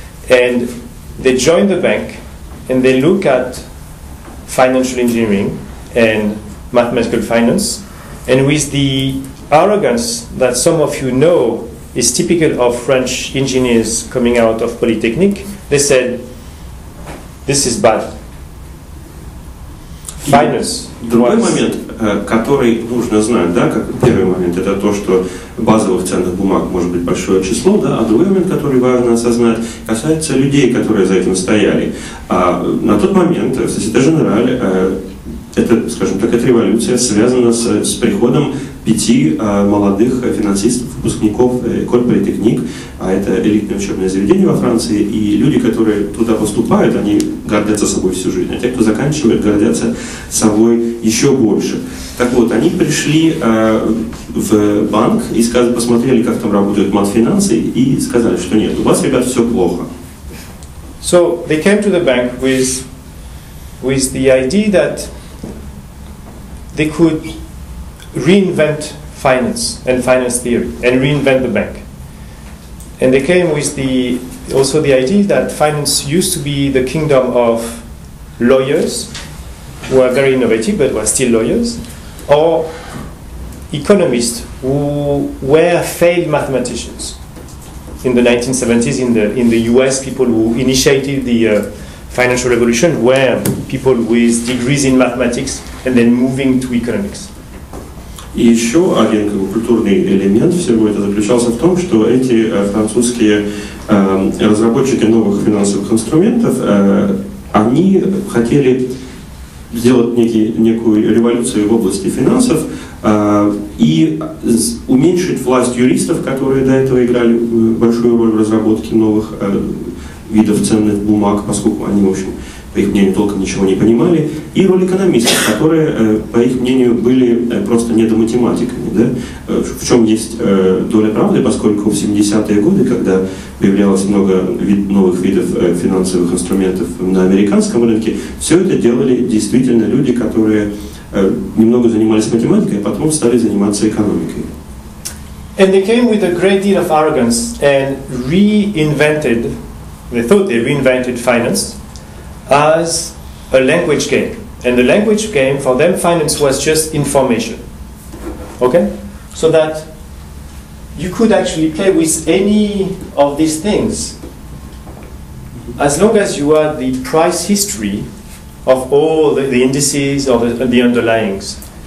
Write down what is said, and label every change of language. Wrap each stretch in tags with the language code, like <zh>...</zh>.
<en>And they joined the bank and they look at financial engineering and mathematical finance, and with the arrogance that some of you know is typical of French engineers coming out of Polytechnique, they said, this is bad. Finance.</en> <ru>Другой момент, который нужно знать, да, как первый момент, это то, что базовых ценных бумаг может быть большое число, да, а другой момент, который важно осознать, касается людей, которые за этим стояли. На тот момент Société Générale, это, скажем так, эта революция связана с приходом пяти молодых финансистов, выпускников École Polytechnique, а это элитное учебное заведение во Франции, и люди, которые туда поступают, они гордятся собой всю жизнь, а те, кто заканчивает, гордятся собой еще больше. Так вот, они пришли в банк и сказали, посмотрели, как там работают матфинансы, и сказали, что нет, у вас, ребят, все плохо.</ru> <en>So they came to the bank with the idea that they could reinvent finance and finance theory and reinvent the bank. And they came with also the idea that finance used to be the kingdom of lawyers who are very innovative but were still lawyers, or economists who were failed mathematicians. In the 1970s, in the US, people who initiated the financial revolution were people with degrees in mathematics and then moving to economics.</en> <ru>И еще один как бы, культурный элемент всего этого заключался в том, что эти французские разработчики новых финансовых инструментов, они хотели сделать некую революцию в области финансов и уменьшить власть юристов, которые до этого играли большую роль в разработке новых видов ценных бумаг, поскольку они, в общем, по их мнению, толком ничего не понимали, и роль экономистов, которые, по их мнению, были просто недоматематиками. Да? В чем есть доля правды, поскольку в 70-е годы, когда появлялось много новых видов финансовых инструментов на американском рынке, все это делали действительно люди, которые немного занимались математикой, а потом стали заниматься экономикой.</ru> <en>And they came with a great deal of arrogance and reinvented, they thought they reinvented finance, as a language game. And the language game, for them, finance was just information. Okay? So that you could actually play with any of these things as long as you had the price history of all the indices or the underlyings.</en>